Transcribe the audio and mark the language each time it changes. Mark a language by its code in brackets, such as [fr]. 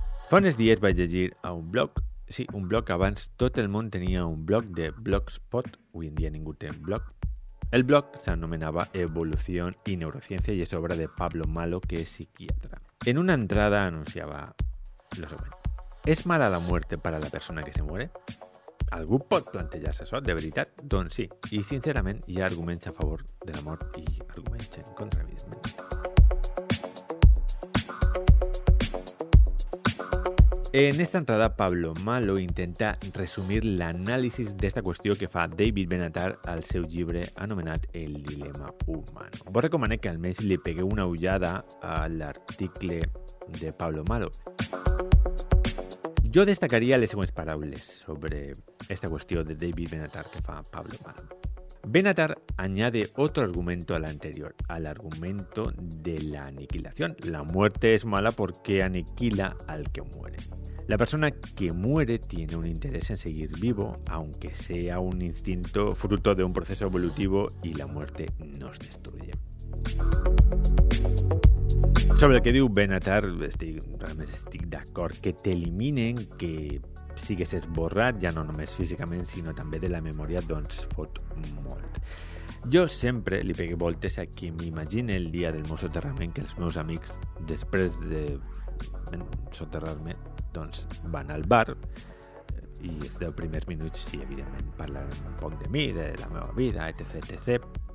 [ca] Fa uns dies vaig llegir a un blog, sí, un blog que abans tot el món tenia un blog de Blogspot, avui en dia ningú té un blog. El blog s'anomenava [es] Evolución y Neurociencia y es obra de Pablo Malo, que es psiquiatra. [ca] En una entrada anunciaba lo següent. [es] ¿Es mala la muerte para la persona que se muere? [ca] ¿Algú pot plantejar-se això, de veritat? Doncs sí. I sincerament, hi ha arguments a favor de la mort i arguments en contra, evidentment. En esta entrada, Pablo Malo intenta resumir l'anàlisi d'esta qüestió que fa David Benatar al seu llibre anomenat El dilema humano. Vos recomané que almenys li pegueu una ullada a l'article de Pablo Malo. Jo destacaria les següents paraules sobre esta qüestió de David Benatar que fa Pablo Malo. [es] Benatar añade otro argumento al anterior, al argumento de la aniquilación. La muerte es mala porque aniquila al que muere. La persona que muere tiene un interés en seguir vivo, aunque sea un instinto fruto de un proceso evolutivo, y la muerte nos destruye. [ca] Sobre el que diu Benatar, estic d'acord, que t'eliminen, que sigues esborrat, ja no només físicament, sinó també de la memòria, doncs fot molt. Jo sempre li pegue voltes a qui m'imagine el dia del meu soterrament, que els meus amics, després de soterrar-me, doncs van al bar i els 10 primers minuts, sí, evidentment, parlaran un poc de mi, de la meva vida, etc, etc.